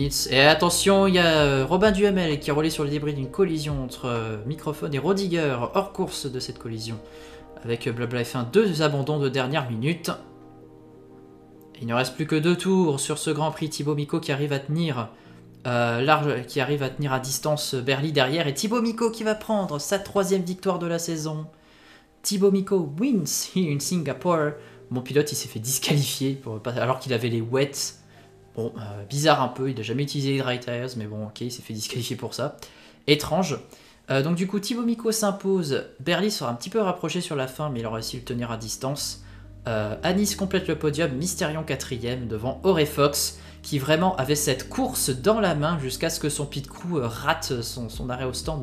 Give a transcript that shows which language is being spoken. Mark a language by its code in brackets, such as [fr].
[fr] Et attention, il y a Robin Duhamel qui a roulé sur le débris d'une collision entre Microphone et Rodiger, hors course de cette collision, avec Blabla F1, deux abandons de dernière minute. Et il ne reste plus que 2 tours sur ce Grand Prix. Thibaut Micot qui arrive à tenir large, qui arrive à tenir à distance Berli derrière, et Thibaut Micot qui va prendre sa 3e victoire de la saison. [en] Thibaut Micot wins here in Singapore. [fr] Mon pilote, il s'est fait disqualifier pour, alors qu'il avait les wets. Bon, bizarre un peu, il n'a jamais utilisé les dry tires, mais bon, ok, il s'est fait disqualifier pour ça. Étrange. Donc du coup, Thibaut Micot s'impose. Berli sera un petit peu rapproché sur la fin, mais il aura réussi à le tenir à distance. Anis complète le podium, Mysterion 4e devant Ori Fox, qui vraiment avait cette course dans la main jusqu'à ce que son pit crew rate son arrêt au stand.